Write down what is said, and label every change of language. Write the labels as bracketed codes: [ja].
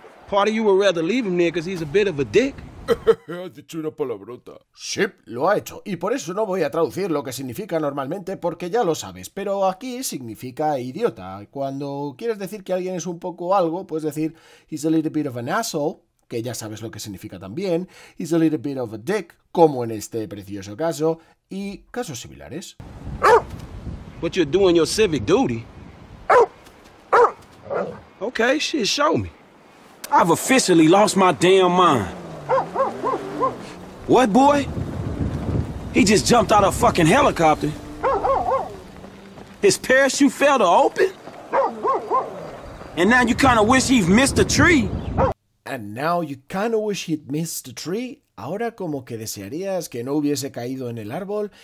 [en] Part of you would rather leave him there because he's a bit of a dick. [es] Ha dicho una palabrota. Sí, lo ha hecho. Y por eso no voy a traducir lo que significa normalmente, porque ya lo sabes. Pero aquí significa idiota. Cuando quieres decir que alguien es un poco algo, puedes decir [en] he's a little bit of an asshole, [es] que ya sabes lo que significa también. [en] He's a little bit of a dick, [es] como en este precioso caso. Y casos similares. [en] But you're doing your civic duty. Okay, shit, show me. I've officially lost my damn mind. What, boy? He just jumped out of a fucking helicopter. His parachute failed to open? And now you kind of wish he'd missed a tree. And now you kind of wish he'd missed a tree? [es] Ahora como que desearías que no hubiese caído en el árbol.